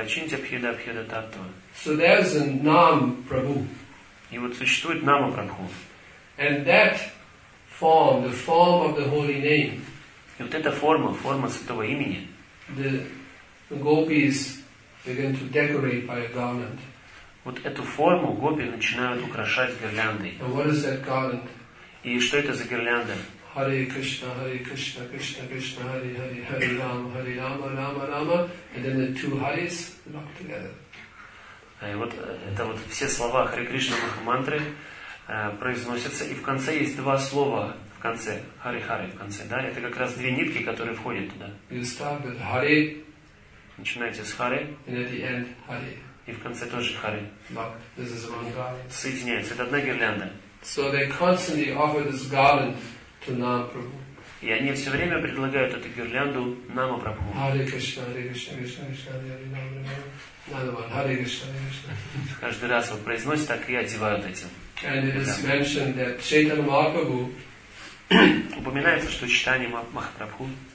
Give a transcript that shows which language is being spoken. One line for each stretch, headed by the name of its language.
Sanskrit: Ачинтья Бхеда Бхеда Таттва.
English: So there's a Nam Prabhu.
Russian: И вот существует Нама Прабху.
English: And that form, the form of the holy name.
Russian: И вот эта форма, форма святого имени.
English: The gopis begin to decorate by a garland.
Russian: Вот эту форму гопи начинают украшать гирляндой.
English: And what is that garland?
Russian: И что это за гирлянда?
Sanskrit: Hare Krishna, Hare Krishna, Krishna Krishna, Hare Hare, Hare Rama, Hare Rama, Rama Rama,
English: and then the two Haris lock together.
Russian: И вот это вот все слова Харе Кришна Махамантры. Произносится, и в конце есть два слова в конце, хари-хари в конце, да, это как раз две нитки, которые входят туда.
English: You start with hari,
Russian: начинаете с хари,
English: and at the end hari.
Russian: И в конце тоже хари.
English: This is one garland.
Russian: Соединяется, это одна гирлянда.
English: So they constantly offer this garland to Nama Prabhu.
Russian: И они все время предлагают эту гирлянду Нама Прабху.
Sanskrit: Hare Krishna, Hare Krishna, Krishna Krishna, Hare Hare, Nama Nama Nama, Hare Krishna, Hare Krishna.
Russian: Каждый раз он произносит так и одевают этим.
English: And it is mentioned that Chaitanya Mahaprabhu
Russian: упоминается, что Чайтанья Махапрабху